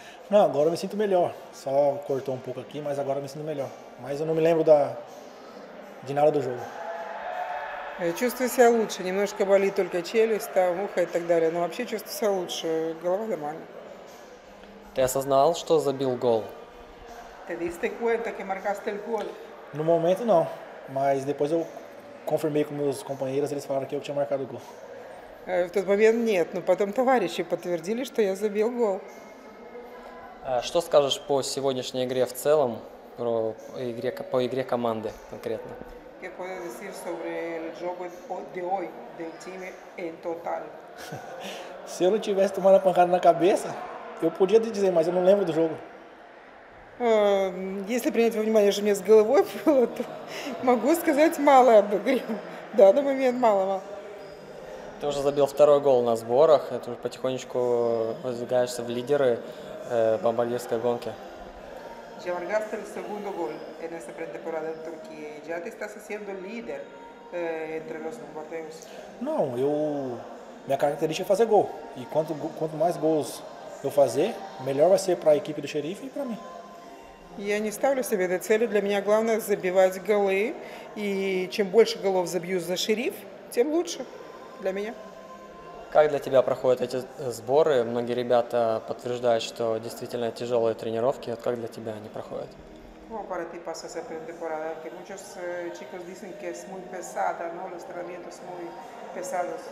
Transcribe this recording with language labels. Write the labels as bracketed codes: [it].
[pt] Não, agora me sinto melhor. Só cortou pouco aqui, mas agora me sinto melhor. Mas eu não me lembro da de nada do jogo. [ru] Я чувствую себя лучше. Немножко болит только челюсть, там, ухо и так далее. Но вообще чувствую себя лучше. Голова нормальна. Ты осознал, что забил гол? [es] Ты diste cuenta que marcaste el gol? [pt] No momento, não. Mas depois eu confirmei com meus companheiros, eles falaram que eu tinha marcado gol. [ru] В тот момент нет, но потом товарищи подтвердили, что я забил гол. А что скажешь по сегодняшней игре в целом, по игре команды конкретно? [es] ¿Qué puedes decir sobre el juego de hoy del team en total? Si yo no [pt] tivesse tomado [es] la pancada en la cabeza, yo podría decir, pero yo no [pt] lembro [es] del juego. [ru] Если принять во внимание, что у меня с головой было, то могу сказать мало об игре. В данный момент мало. Ты уже забил второй гол на сборах, ты уже потихонечку выдвигаешься в лидеры бомбардирской гонки. [es] Ya marcaste el segundo gol en esta pretemporada en Turquía y ya te estás haciendo líder entre los bombardeos. No, mi característica es hacer gol. Y cuanto más gols yo hacer, mejor va a ser para la equipo del Sheriff y para mí. [ru] Я не ставлю себе этой цели. Для меня главное забивать голы. И чем больше голов забью за Шериф, тем лучше для меня. Как для тебя проходят эти сборы? Многие ребята подтверждают, что действительно тяжелые тренировки. Вот как для тебя они проходят? [es] Como para ti pasa esa pretemporada? Que muchos chicos dicen que es muy pesada, ¿no? Los entrenamientos muy pesados.